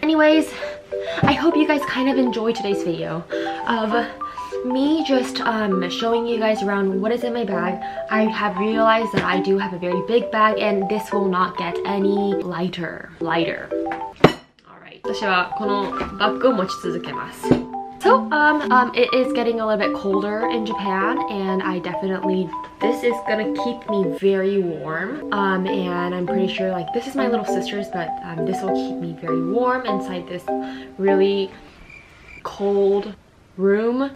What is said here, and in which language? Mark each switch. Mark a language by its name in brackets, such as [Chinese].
[English] Anyways, I hope you guys kind of enjoy today's video of me just showing you guys around what is in my bag. I have realized that I do have a very big bag and this will not get any lighter. All right. [Japanese] 私はこのバッグを持ち続けます。 [English] So, it is getting a little bit colder in Japan, and I definitely, this is gonna keep me very warm. And I'm pretty sure, like, this is my little sister's, but this will keep me very warm inside this really cold room.